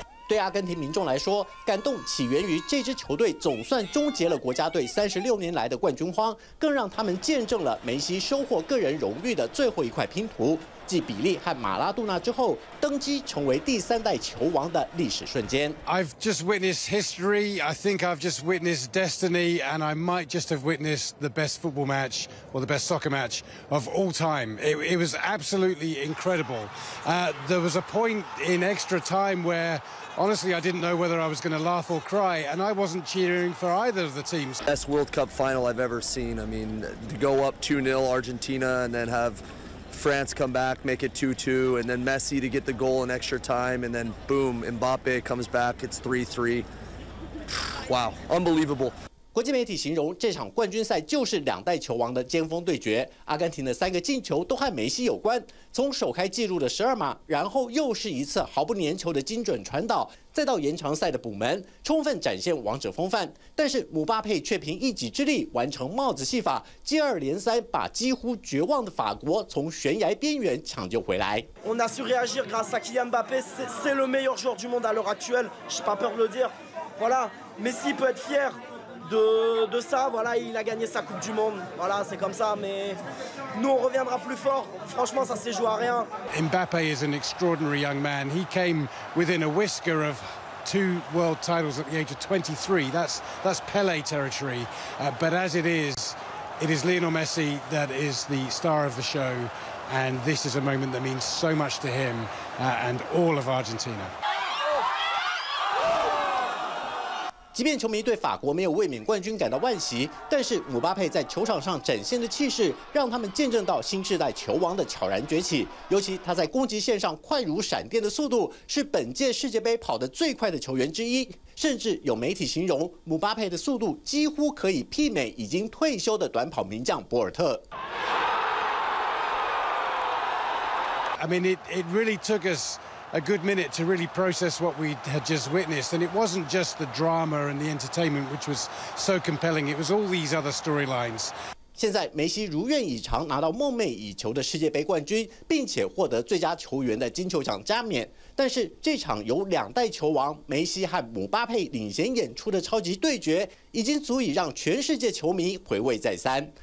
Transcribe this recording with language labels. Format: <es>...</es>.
<zh>对阿根廷民众来说，感动起源于这支球队总算终结了国家队36年来的冠军荒，更让他们见证了梅西收获个人荣誉的最后一块拼图，继比利和马拉杜纳之后登基成为第三代球王的历史瞬间。</zh> <en>I've just witnessed history. I think I've just witnessed destiny, and I might just have witnessed the best football match or the best soccer match of all time. It was absolutely incredible. There was a point in extra time where. Honestly, I didn't know whether I was going to laugh or cry, and I wasn't cheering for either of the teams. Best World Cup final I've ever seen. I mean, to go up 2-0 Argentina and then have France come back, make it 2-2, and then Messi to get the goal in extra time, and then boom, Mbappe comes back, it's 3-3. Wow, unbelievable.</en> <zh>国际媒体形容这场冠军赛就是两代球王的尖峰对决，阿根廷的三个进球都和梅西有关，从首开纪录的12码，然后又是一次毫不粘球的精准传导，再到延长赛的补门，充分展现王者风范。但是姆巴佩却凭一己之力完成帽子戏法，接二连三把几乎绝望的法国从悬崖边缘抢救回来。</zh> <fr>On a su réagir grâce à Kylian Mbappé, c'est le meilleur joueur du monde à l'heure actuelle. J'ai pas peur de le dire. Voilà, Messi peut être fier. De ça, voilà, il a gagné sa Coupe du Monde. Voilà, c'est comme ça. Mais nous, on reviendra plus fort. Franchement, ça s'est joué à rien.</fr> <en>Mbappé is an extraordinary young man. He came within a whisker of two world titles at the age of 23. That's Pelé territory. But as it is Lionel Messi that is the star of the show. And this is a moment that means so much to him and all of Argentina.</en> <zh>即便球迷对法国没有卫冕冠军感到惋惜，但是姆巴佩在球场上展现的气势让他们见证到新世代球王的悄然崛起，尤其他在攻击线上快如闪电的速度是本届世界杯跑得最快的球员之一，甚至有媒体形容姆巴佩的速度几乎可以媲美已经退休的短跑名将博尔特。</zh> <en>I mean, it really took usa good minute to really process what we had just witnessed. And it wasn't just the drama and the entertainment which was so compelling, it was all these other storylines.</en> <zh>现在梅西如愿以偿拿到梦寐以求的世界杯冠军，并且获得最佳球员的金球奖加冕。但是这场由两代球王梅西和姆巴佩领衔演出的超级对决已经足以让全世界球迷回味再三。</zh>